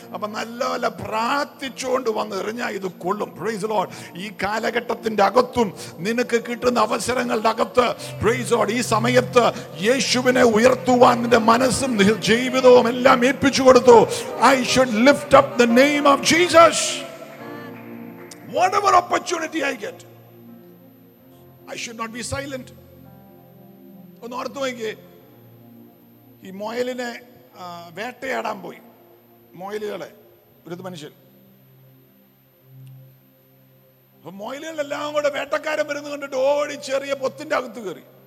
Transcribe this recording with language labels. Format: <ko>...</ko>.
<ml>അപ്പൊ നല്ലപോലെ പ്രാർത്ഥിച്ചുകൊണ്ട് വന്ന് എറിഞ്ഞാൽ ഇത് കൊള്ളും. Praise Lord. ഈ കാലഘട്ടത്തിന്റെ അകത്തും നിനക്ക് കിട്ടുന്ന അവസരങ്ങളുടെ അകത്ത്, പ്രൈസ് ലോർഡ്, ഈ സമയത്ത് യേശുവിനെ ഉയർത്തുവാൻ നിന്റെ മനസ്സും ജീവിതവും എല്ലാം ഏൽപ്പിച്ചു കൊടുത്തു.</ml> <en>I should lift up the name of Jesus. Whatever opportunity I get, I should not be silent.</en> <ml>ഒന്ന് ഓർത്തു വയ്ക്കുക, ഈ മൊയലിനെ വേട്ടയാടാൻ പോയി, മൊയലുകളെ, ഒരു മനുഷ്യൻ. അപ്പൊ മൊയലുകളെല്ലാം കൂടെ വേട്ടക്കാരൻ വരുന്നു കണ്ടിട്ട് ഓടി ചെറിയ പൊത്തിന്റെ അകത്ത് കയറി.</ml>